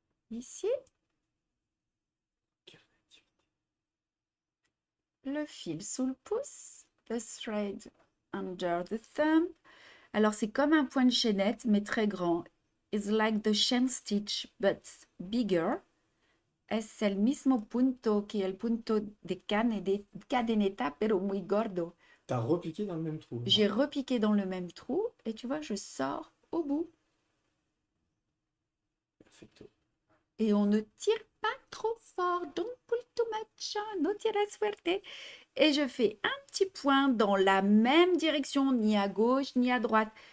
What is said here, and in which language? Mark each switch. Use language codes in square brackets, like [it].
[fr] Ici. Le fil sous le pouce. [en] The thread under the thumb. [fr] Alors, c'est comme un point de chaînette, mais très grand. [en] It's like the chain stitch, but bigger. [es] Es el mismo punto que el punto de cadeneta, pero muy gordo. [fr] T'as repiqué dans le même trou, là. J'ai repiqué dans le même trou et tu vois, je sors au bout. [es] Perfecto. [fr] Et on ne tire pas trop fort. [en] Don't pull too much, [es] no tires fuerte. [fr] Et je fais un petit point dans la même direction, ni à gauche ni à droite.